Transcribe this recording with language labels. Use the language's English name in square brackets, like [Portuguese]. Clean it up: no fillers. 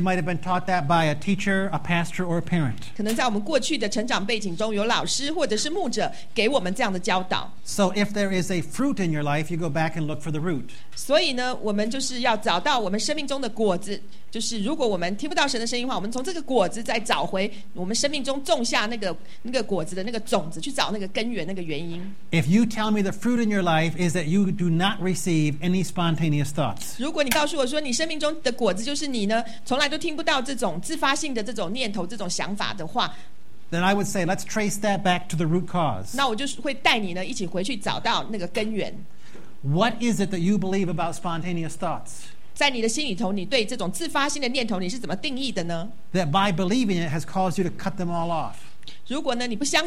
[English] might have been taught that by a teacher, a pastor, or a parent. [Chinese] 可能在我们过去的成长背景中，有老师或者是牧者给我们这样的教导。 [English] So if there is a fruit in your life, you go back and look for the root. [Chinese] 所以呢，我们就是要找到我们生命中的果子，就是如果我们听不到神的声音的话，我们从这个果子再找回我们生命中种下那个果子的那个种子，去找那个根源、那个原因。 [English] If you tell me the fruit in your life is that you do not receive any spontaneous thoughts. [Chinese] 如果你告诉我说你生命中的果子就是你呢，从来都听不到这种自发性的这种念头、这种想法的话。 [English] Then I would say, let's trace that back to the root cause. What is it that you believe about spontaneous thoughts? [Chinese] 在你的心里头，你对这种自发性的念头，你是怎么定义的呢？ [English] That by believing it has caused you to cut them all off.